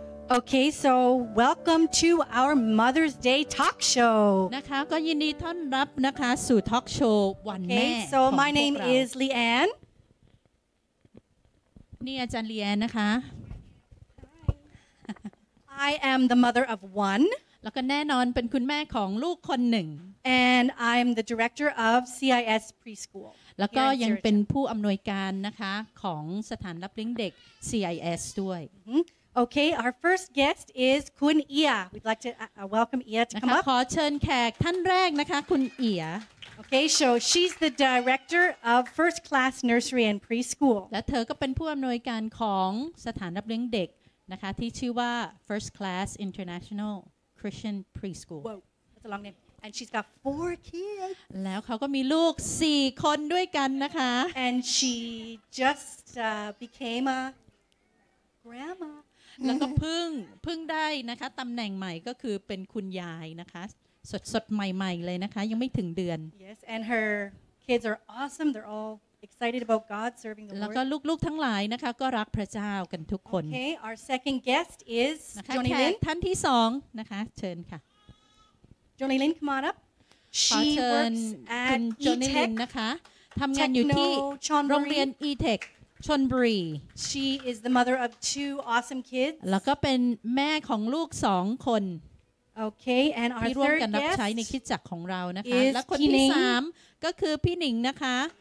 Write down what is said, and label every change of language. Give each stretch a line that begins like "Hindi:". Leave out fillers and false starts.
English: Okay, so welcome to our Mother's Day talk show.
Thai: นะคะก็ยินดีต้อนรับนะคะสู่ทอล์คโชว์วันแม่ของพวกเรา
English: Okay, so my name is Leanne.
Thai: นี่อาจารย์ Leanne นะคะ
English: I am the mother of one.
Thai: แล้วก็แน่นอนเป็นคุณแม่ของลูกคนหนึ่ง
English: And I am the director of CIS preschool.
Thai: แล้วก็ยังเป็นผู้อำนวยการนะคะของสถานรับเลี้ยงเด็ก CIS ด้วย
English: Okay, our first guest is คุณเอียร์ We'd like to welcome เอียร์ to come up
Thai: ขอเชิญแขกท่านแรกนะคะคุณเอียร์
English: Okay, so she's the director of first class nursery and preschool
Thai: และเธอก็เป็นผู้อำนวยการของสถานรับเลี้ยงเด็กนะคะที่ชื่อว่า first class international Christian preschool
English: Whoa, that's a long nameAnd she's got four kids.
Thai: แล้วเขาก็มีลูก4คนด้วยกันนะคะ
English: And she just became a grandma.
Thai: แล้วก็เพิ่งได้นะคะตำแหน่งใหม่ก็คือเป็นคุณยายนะคะสดสดใหม่ๆเลยนะคะยังไม่ถึงเดือน
English: Yes, and her kids are awesome. They're all excited about God serving the Lord.
Thai: แล้วก็ลูกๆทั้งหลายนะคะก็รักพระเจ้ากันทุกคน
English: Okay, our second guest is Johnny
Thai: Lin. ท่านที่สองนะคะเชิญค่ะ
English: Johnny Lin, come on up. She works at
Thai: Johnny Lin, นะคะทำงานอยู่ที่โรงเรียน E-Tech Chonburi.
English: She is the mother of two awesome kids.
Thai: แล้วก็เป็นแม่ของลูก2คน
English: Okay, and our third guest
Thai: ที่ร่วมกันรับใช้ในคิดจักของเรานะคะและคนที่3ก็คือพี่หนิงนะคะ